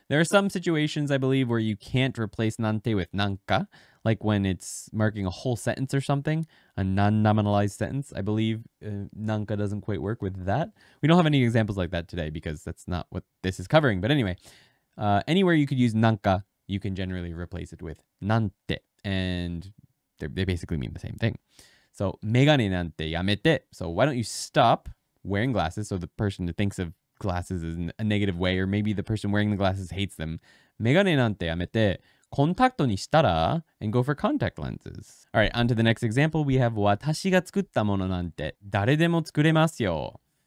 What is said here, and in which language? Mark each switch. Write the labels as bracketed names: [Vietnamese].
[English] There are some situations, I believe, where you can't replace なんて with なんか, like when it's marking a whole sentence or something, a non-nominalized sentence. I believe なんか doesn't quite work with that. We don't have any examples like that today because that's not what this is covering. But anyway, anywhere you could use なんか, you can generally replace it with なんて. And they basically mean the same thing. [Japanese] So, メガネなんてやめて. [English] So, why don't you stop... wearing glasses, so the person thinks of glasses in a negative way, or maybe the person wearing the glasses hates them. [Japanese] メガネなんてやめて、コンタクトにしたら [English] and go for contact lenses. Alright, on to the next example. We have [Japanese] 私が作ったものなんて誰でも作れますよ。